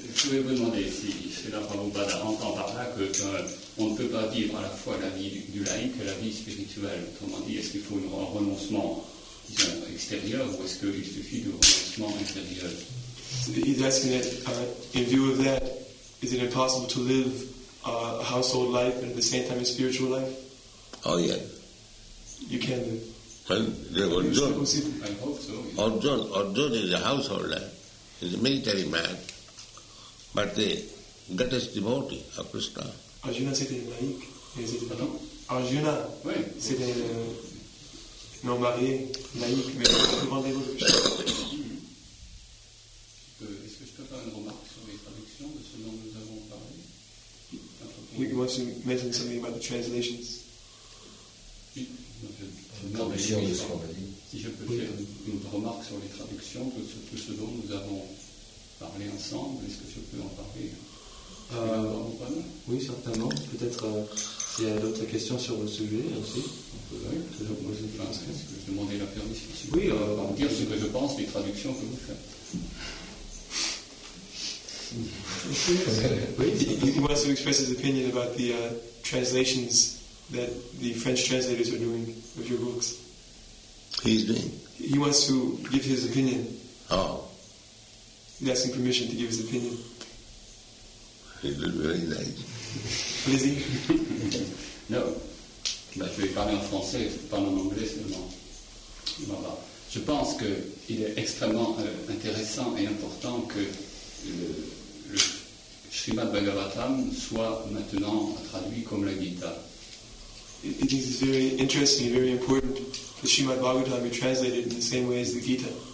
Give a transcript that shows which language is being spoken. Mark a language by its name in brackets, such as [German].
[French] Je voulais vous demander si c'est là qu'on va entendre par là qu'on ne peut pas vivre à la fois la vie du laïc et la vie spirituelle. Autrement dit, est-ce qu'il faut un renoncement, disons, extérieur ou est-ce qu'il suffit de renoncement intérieur? [English] He's asking it in view of that, is it impossible to live a household life and at the same time a spiritual life? Oh, yeah. You can live. Arjun is a householder, he's a military man, but the greatest devotee of Krishna. [French] Arjuna, c'était laïc, mais c'était pas non. Arjuna, oui. C'était non marié, laïc, mais c'est le grand dévot de Krishna. Est-ce que je peux faire une remarque sur les traductions de ce dont nous avons parlé? [English] Oui, you want to mention something about the translations? [French] Si je peux faire une remarque sur les traductions de ce dont nous avons parlé ensemble, est-ce que je peux en parler? Oui, certainement. Peut-être s'il y a d'autres questions sur le sujet aussi. Je demandais la permission. Si oui, vous dire ce que je pense des traductions que vous faites. Oui, il veut exprimer son opinion sur les traductions. [English] That the French translators are doing of your books. He's doing. He wants to give his opinion. Oh. He's asking permission to give his opinion. He looks very nice. Is he? No. [French] Bah, je vais parler en français, pas en anglais seulement. Voilà. Je pense que il est extrêmement intéressant et important que le Srimad Bhagavatam soit maintenant traduit comme la Gita. [English] It is very interesting, very important that Srimad Bhagavatam be translated in the same way as the Gita.